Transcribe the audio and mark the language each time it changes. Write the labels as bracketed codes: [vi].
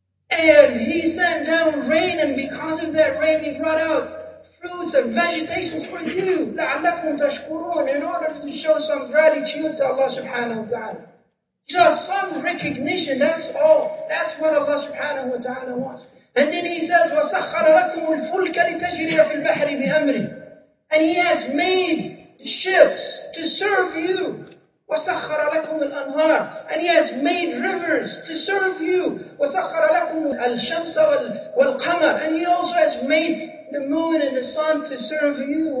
[en] And he sent down rain, and because of that rain, he brought out fruits and vegetation for you. [ar] لَعَلَّكُمْ تَشْكُرُونَ. [en] In order to show some gratitude to Allah subhanahu wa ta'ala. Just some recognition, that's all. That's what Allah subhanahu wa ta'ala wants. And then he says, [ar] وَسَخَّرَ لَكُمُ الْفُلْكَ لِتَجْرِيَ فِي الْبَحْرِ بِأَمْرِ. [en] And he has made the ships to serve you. [ar] وَسَخَّرَ لَكُمُ الْأَنْهَارِ. [en] And he has made rivers to serve you. [ar] وَسَخَّرَ لَكُمُ الْشَمْسَ وَالْقَمَرِ. [en] And he also has made the moon and the sun to serve you.